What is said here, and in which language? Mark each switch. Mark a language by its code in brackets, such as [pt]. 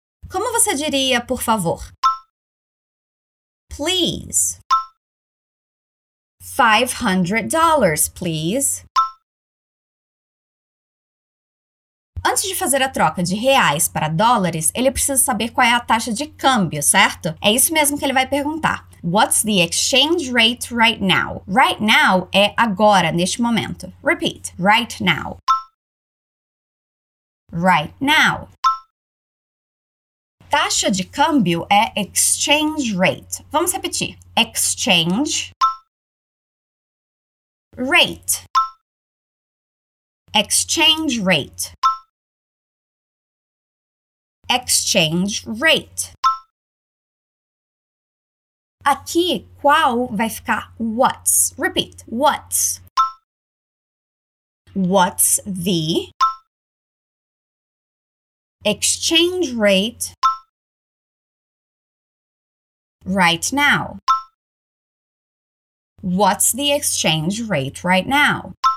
[pt] Como você diria, por favor? [en] Please. $500, please. [pt] Antes de fazer a troca de reais para dólares, ele precisa saber qual é a taxa de câmbio, certo? É isso mesmo que ele vai perguntar. [en] What's the exchange rate right now? Right now [pt] é agora, neste momento. [en] Repeat. Right now. Right now. [pt] Taxa de câmbio é [en] exchange rate. [pt] Vamos repetir. [en] Exchange rate. Exchange rate. Exchange rate. [pt] Aqui, qual vai ficar what's. [en] Repeat. What's. What's the exchange rate right now? What's the exchange rate right now?